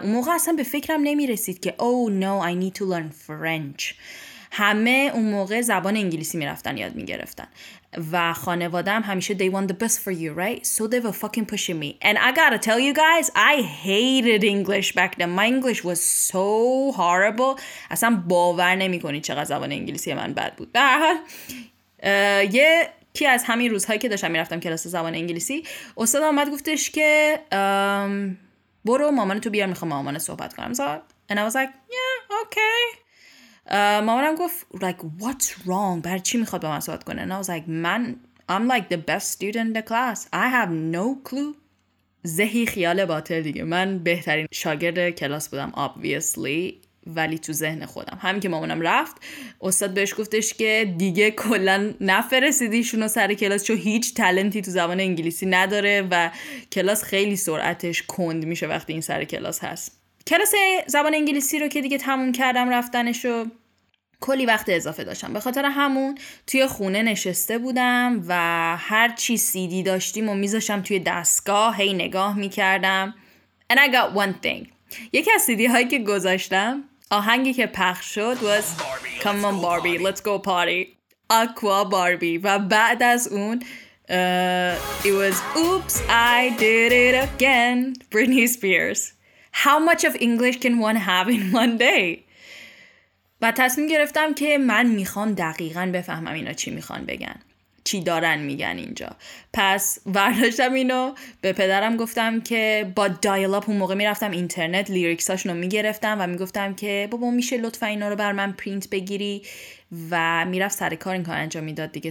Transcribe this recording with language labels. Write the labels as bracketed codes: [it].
[fa] اون موقع اصلا به فکرم نمیرسید که [en] Oh no, I need to learn French. [fa] همه اون موقع زبان انگلیسی میرفتن یاد میگرفتن و خانوادم همیشه [en] They want the best for you, right? So they were fucking pushing me. And I gotta tell you guys, I hated English back then. My English was so horrible. [fa] اصلا باور نمی کنی چقدر زبان انگلیسی من بد بود. به هر حال یکی از همین روزهایی که داشتم میرفتم کلاس زبان انگلیسی استاد آمد گفتش که برو مامانتو بیار میخوام مامانه صحبت کنم. [en] And I was like, yeah, okay. [fa] مامانم گفت [en] like what's wrong, [fa] برای چی میخواد با من صحبت کنه. [en] And I was like man, I'm like the best student in the class, I have no clue. [fa] زهی خیال باطل دیگه، من بهترین شاگرد کلاس بودم [en] obviously، [fa] ولی تو ذهن خودم. همین که مامانم رفت استاد بهش گفتش که دیگه کلن نفرستیدیشون رو سر کلاس چون هیچ تلنتی تو زبان انگلیسی نداره و کلاس خیلی سرعتش کند میشه وقتی این سر کلاس هست. کلاس زبان انگلیسی رو که دیگه تموم کردم رفتنشو کلی وقت اضافه داشتم. به خاطر همون توی خونه نشسته بودم و هر چی سیدی داشتیم و میذاشم توی دستگاه هی نگاه میکردم. [en] And I got one thing. [fa] یکی از سیدی هایی که گذاشتم آهنگی که پخش شد [en] was Come on Barbie, let's go party. Aqua Barbie. [fa] و بعد از اون [en] It was Oops, I did it again. Britney Spears. How much of English can one have in one day? [fa] و تصمیم گرفتم که من میخوام دقیقاً بفهمم اینا چی میخوان بگن، چی دارن میگن اینجا. پس برداشتم اینو به پدرم گفتم که با دایلاپ اون موقع میرفتم اینترنت لیریکساشون رو میگرفتم و میگفتم که بابا میشه لطفا اینا رو بر من پرینت بگیری و میرفت سر کار این کار انجام میداد دیگه.